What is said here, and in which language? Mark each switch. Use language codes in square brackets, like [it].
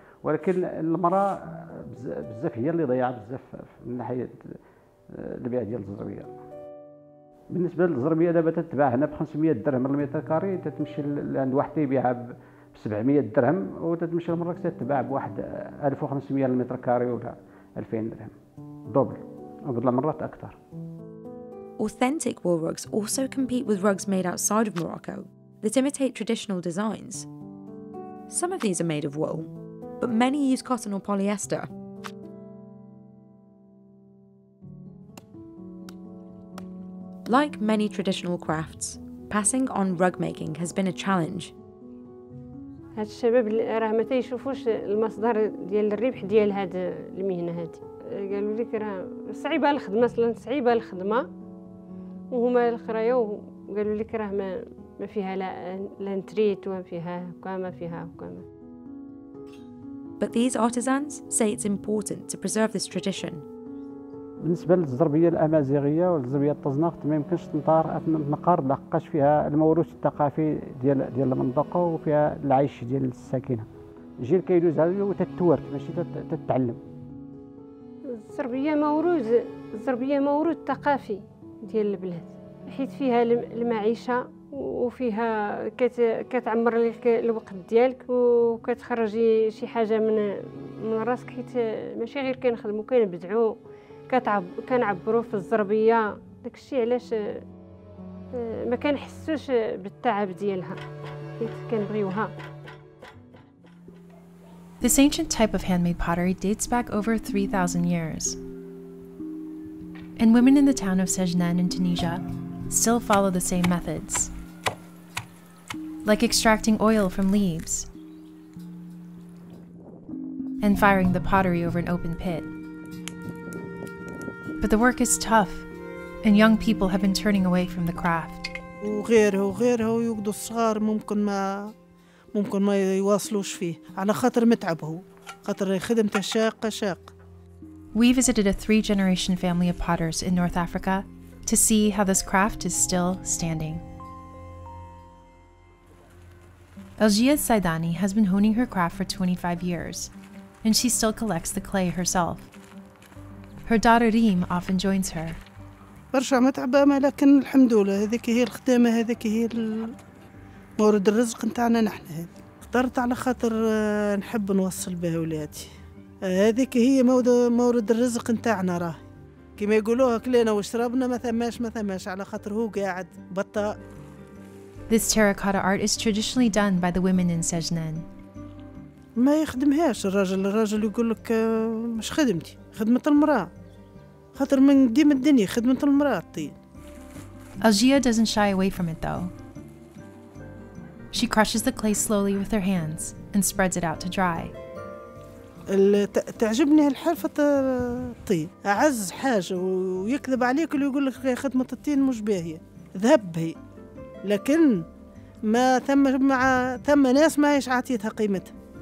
[ar] ولكن المرأة بزاف هي اللي ضيعت بزاف من ناحية البيع ديال الزربية. بالنسبة للزربية دابا تتباع هنا ب 500 درهم للمتر كاري تتمشي عند واحد تيبيعها ب 700 درهم وتتمشي لمراكش تتباع بواحد 1500 للمتر كاري ولا 2000 درهم دوبل وبعض المرات أكثر. [en] Authentic wool rugs also compete with rugs made outside of Morocco that imitate traditional designs. Some of these are made of wool. But many use cotton or polyester. Like many traditional crafts, passing on rug making has been a challenge. [ar] هاد الشباب راه ما تيشوفوش المصدر ديال الربح ديال هاد المهنه هادي. قالوا لك راه صعيبه الخدمه وهما الاخريا وقالوا لك راه ما فيها لا انتريت وما فيها هكا ما فيها هكا. [en] But these artisans say it's important to preserve this tradition. [ar] بالنسبه للزربيه الامازيغيه والزربيه الطزناق ما يمكنش تنطار تنقار لحقاش فيها الموروث الثقافي ديال المنطقه وفيها العيش ديال الساكنه. الجيل كيدوز عليه وتتورث ماشي تتعلم. الزربيه موروث ثقافي ديال البلاد حيت فيها المعيشه وفيها كتعمر لك الوقت ديالك وكتخرجي شي حاجه من راسك حيت ماشي غير كنخدموا كنبدعوا كنعبروا في الزربيه داكشي علاش ما كنحسوش بالتعب ديالها حيت كنبغيوها. [en] This ancient type of handmade pottery dates back over 3,000 years. And women in the town of Sejnan in Tunisia still follow the same methods, like extracting oil from leaves and firing the pottery over an open pit. But the work is tough, and young people have been turning away from the craft. [ar] ممكن ما يواصلوش فيه على خاطر متعبه خاطر خدمته شاق. [en] We visited a three-generation family of potters in North Africa to see how this craft is still standing. Algia Saidani has been honing her craft for 25 years, and she still collects the clay herself. Her daughter Reem often joins her. [ar] برشا متعبة لكن الحمد لله هذيك هي الخدمة هذيك هي مورد الرزق نتاعنا نحن هذي اخترت على خاطر نحب نوصل بها ولادي هذيك هي مورد الرزق نتاعنا راه كما يقولوها كلنا وشربنا ما ثماش على خاطر هو قاعد بطا. [en] This terracotta art is traditionally done by the women in Sejnan. [ar] ما يخدمهاش الراجل يقول لك مش خدمتي خدمة المرأة خاطر من ديم الدنيا خدمة المرأة الطين. [en] Algia doesn't shy away from it though. She crushes the clay slowly with her hands and spreads it out to dry. [ar] تعجبني الحرفة الطين أعز حاجة ويكذب عليك اللي يقول لك غير خدمة الطين مش باهية ذهب هي لكن ما ثم ناس ما هيش عاتيتها قيمتها.